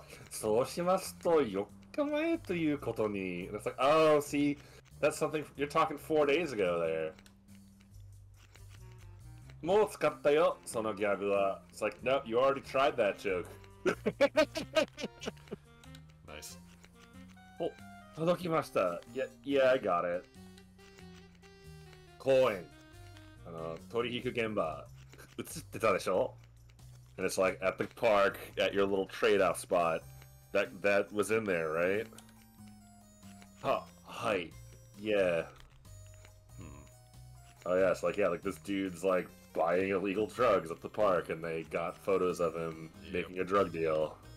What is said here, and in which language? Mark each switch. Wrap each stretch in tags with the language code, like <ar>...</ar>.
<ja>そうしますと4日前ということに</ja> <en>And it's like, oh, see, that's something, you're talking 4 days ago there.</en> <ja>もう使ったよ、そのギャグは</ja> <en>It's like, no, you already tried that joke. Nice.</en> <ja>お、届きました。</ja> <en>Yeah, I got it.</en> <ja>公園 取引現場、映ってたでしょ?</ja> <en>And it's like, at the park, at your little trade-off spot. That was in there, right? Ha, hi. Yeah. Hmm. Oh yeah, it's like, yeah, like this dude's like, buying illegal drugs at the park, and they got photos of him making a drug deal.</en>